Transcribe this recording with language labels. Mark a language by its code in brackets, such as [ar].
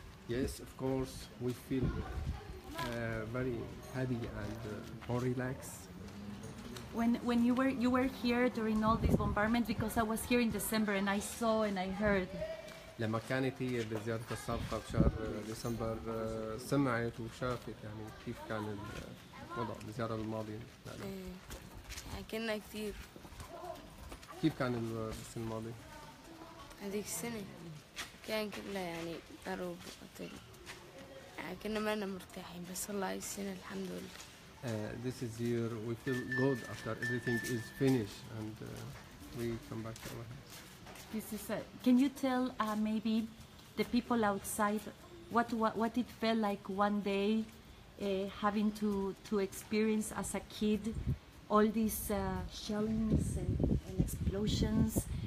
[en] Yes, of course, we feel very happy and more relaxed. When you were here during all this bombardment, because I was here in December and I saw and I heard. [ar] لما كانت هي بزيارة السابقة بشهر ديسمبر سمعت وشافت يعني كيف كان الوضع بزيارة الماضية. إيه كنا كتير. كيف كان السنة الماضية؟ هذيك السنة كان كلها يعني ضرب وقتل. يعني كنا ما أنا مرتاحين بس الله السنة الحمد لله. [en] This is year we feel good after everything is finished and we come back to our house. This is can you tell maybe the people outside what it felt like one day having to experience as a kid all these shellings and explosions?